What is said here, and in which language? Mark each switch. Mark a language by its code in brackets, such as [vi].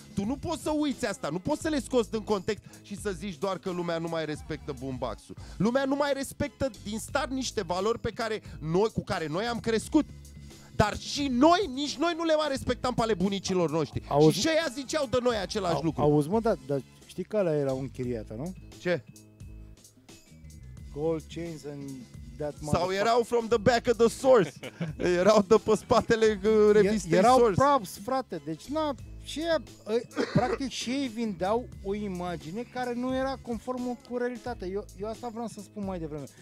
[ro] Tu nu poți să uiți asta, nu poți să le scoți din context și să zici doar că lumea nu mai respectă boomboxul. Lumea nu mai respectă din start niște valori pe care noi, cu care noi am crescut. Dar și noi, nici noi nu le mai respectam pe ale bunicilor noștri. Auzi? Și ăia ziceau de noi același lucru. Auzi, mă, dar știi că alea era un chiriată, nu? Ce? [en] Gold chains and that mother... [ro] Sau erau [en] from the back of the source. [ro] Erau de pe spatele revistei erau [en] Source. [ro] Erau props, frate. Deci, na, și practic și ei vindeau o imagine care nu era conformă cu realitatea. Eu asta vreau să spun mai devreme.